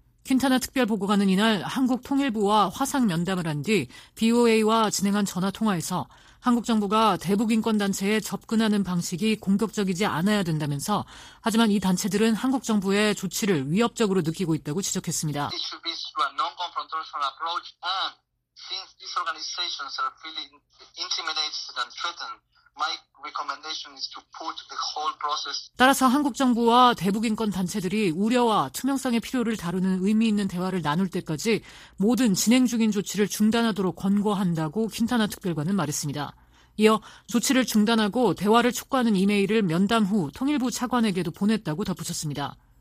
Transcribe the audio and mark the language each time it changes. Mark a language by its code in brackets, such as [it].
[ko] 퀸타나 특별보고관은 이날 한국통일부와 화상 면담을 한 뒤 BOA와 진행한 전화통화에서 한국 정부가 대북인권단체에 접근하는 방식이 공격적이지 않아야 된다면서 하지만 이 단체들은 한국 정부의 조치를 위협적으로 느끼고 있다고 지적했습니다. [en] This should be a non-confrontational approach and since these organizations are feeling intimidated and threatened, my recommendation is to put the whole process. [ko] 따라서 한국 정부와 대북인권단체들이 우려와 투명성의 필요를 다루는 의미 있는 대화를 나눌 때까지 모든 진행 중인 조치를 중단하도록 권고한다고 퀸타나 특별관은 말했습니다. 이어 조치를 중단하고 대화를 촉구하는 이메일을 면담 후 통일부 차관에게도 보냈다고 덧붙였습니다.